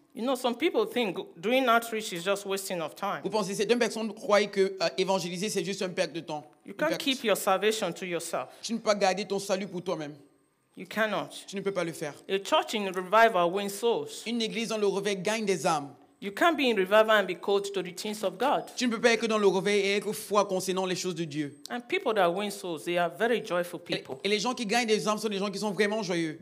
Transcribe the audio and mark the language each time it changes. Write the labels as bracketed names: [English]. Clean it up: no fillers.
[English] You know, some people think doing outreach is just wasting of time. [French] Vous pensez, certaines personnes croient que évangéliser c'est juste un perte de temps. [English] You can't keep your salvation to yourself. [French] Tu ne peux pas garder ton salut pour toi-même. [English] You cannot. [French] Tu ne peux pas le faire. [English] A church in revival wins souls. [French] Une église dans le réveil gagne des âmes. [English] You can't be in revival and be called to the things of God. [French] Tu ne peux pas être dans le réveil et être foi concernant les choses de Dieu. [English] And people that win souls, they are very joyful people. [French] Et les gens qui gagnent des âmes sont des gens qui sont vraiment joyeux.